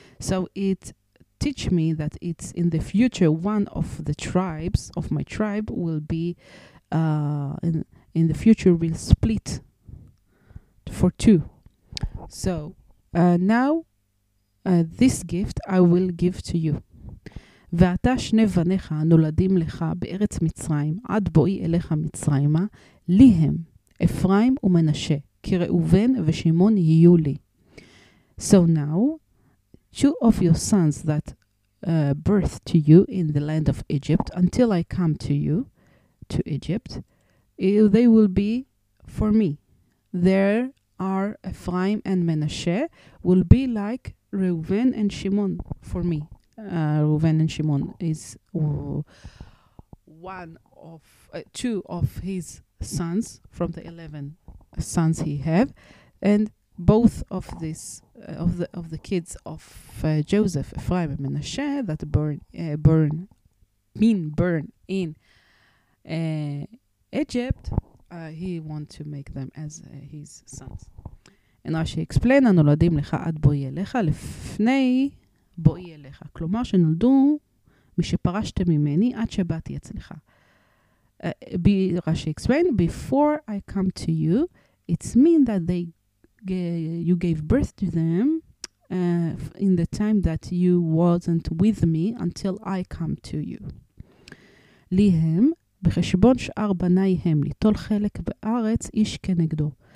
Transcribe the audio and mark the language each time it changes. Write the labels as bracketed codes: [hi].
[en] So it teach me that it's in the future one of the tribes of my tribe will be in the future will split for two. So now this gift I will give to you. [he] ואתה שני בניך נולדים לך בארץ מצרים, עד בואי אליך מצרימה, לי הם, אפרים ומנשה, כי ראובן ושמעון יהיו לי. [en] So now, two of your sons that birth to you in the land of Egypt, until I come to you, to Egypt, they will be for me. There are Ephraim and Menashe, will be like Reuven and Shimon for me. Reuven and Shimon is one of two of his sons from the 11 sons he have, and both of this of the kids of Joseph, Ephraim and Menashe, that burn in Egypt, he want to make them as his sons. And Rashi explain, [he] הנולדים לך עד בואי אליך לפני בואי אליך. כלומר שנולדו משפרשתם ממני עד שבאתי אצלך. [en] Rashi explain, before I come to you, it's mean that you gave birth to them in the time that you wasn't with me until I come to you. [he] ליהם, בחשבון שאר בני הם, ליטול חלק בארץ איש כנגדו.